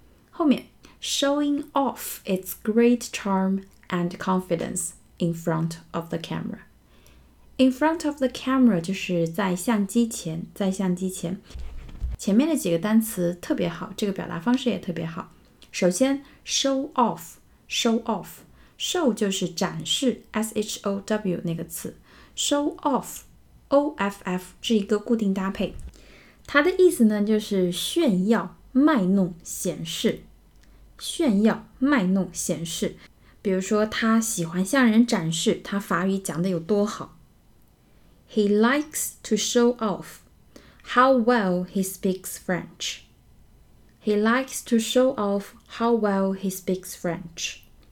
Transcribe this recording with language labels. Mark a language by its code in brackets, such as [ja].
[zh] 后面 [en] showing off its great charm and confidenceIn front of the camera. In front of the camera [zh] 就是在相机前，在相机前。前面的几个单词特别好，这个表达方式也特别好。首先 [en] show off， show off， show [zh] 就是展示， S-H-O-W 那个词， show off， O-F-F 是一个固定搭配，它的意思呢就是炫耀、卖弄、显示，炫耀、卖弄、显示。比如说他喜欢向人展示他法语讲得有多好。 [en] He likes to show off how well he speaks French. He likes to show off how well he speaks French.